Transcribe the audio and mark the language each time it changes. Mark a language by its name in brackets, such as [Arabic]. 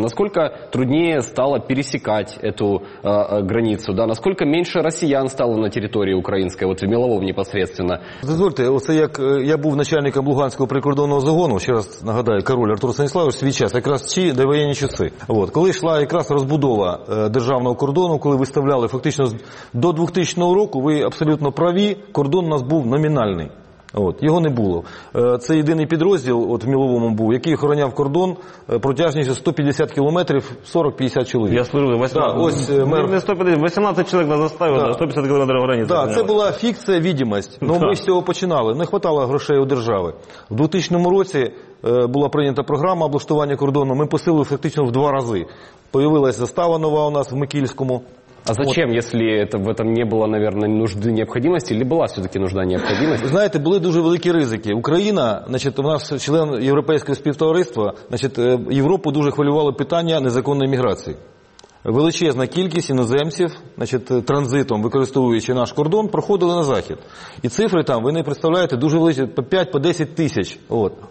[Russian] Насколько труднее стало пересекать эту границу, да, насколько меньше россиян стало на территории украинской, вот в Меловом непосредственно. [Ukrainian] Дозвольте, оце як я був начальником Луганського прикордонного загону, ще раз нагадаю, король Артур Станіславович, свій час, якраз ці довоєнні часи. От, коли йшла якраз розбудова державного кордону, коли виставляли фактично до 2000 року, ви абсолютно праві, кордон у нас був номінальний. От, його не було. Це єдиний підрозділ, от в Міловому був, який охороняв кордон протяжністю 150 кілометрів, 40-50 чоловік. Я служив, 18 чоловік на заставі, да. 150 кілометрів границі. Так, да, це була фікція, відомість. Ну, ми з цього починали. Не хватало грошей у держави. В 2000 році була прийнята програма облаштування кордону. Ми посилили фактично в два рази. Появилась застава нова у нас в Микільському. [Russian] А зачем, если это в этом не было, наверное, нужды, необходимости, или была все-таки нужда, необходимость? Вы знаете, были [Ukrainian] дуже великі ризики. Україна, значит, у нас член Європейського співтовариства, значит, Європу дуже хвилювало питання незаконної міграції. Величезна кількість іноземців, значит, транзитом, використовуючи наш кордон, проходили на захід. І цифри там, ви не представляєте, дуже великі, по 5, по 10 тисяч. От.